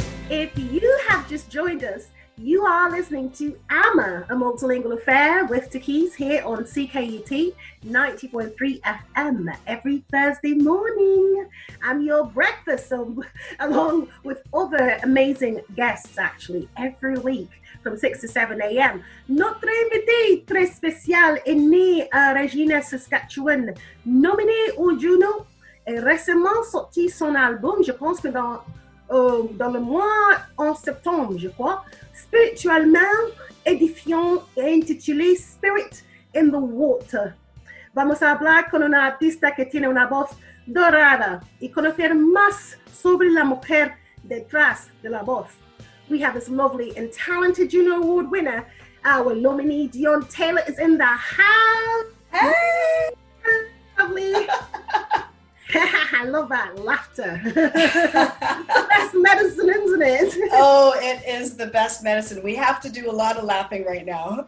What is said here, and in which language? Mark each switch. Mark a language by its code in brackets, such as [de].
[en] If you have just joined us, you are listening to AMA, a multilingual affair with Takis here on CKUT 90.3 FM every Thursday morning. I'm your breakfast along with other amazing guests actually every week from 6 to 7 a.m. [fr] Notre invité très spécial est né à Regina, Saskatchewan, nominé au Juno et récemment sorti son album, je pense que dans le mois en septembre, je crois, spirituellement édifiant et intitulé Spirit in the Water. [es] Vamos a hablar con un artista que tiene una voz dorada y conocer más sobre la mujer detrás de la voz. [en] We have this lovely and talented Juno Award winner, our nominee Dione Taylor is in the house. Hey! Lovely! I love that laughter. The best medicine, isn't it? Oh, it is the best medicine. We have to do a lot of laughing right now.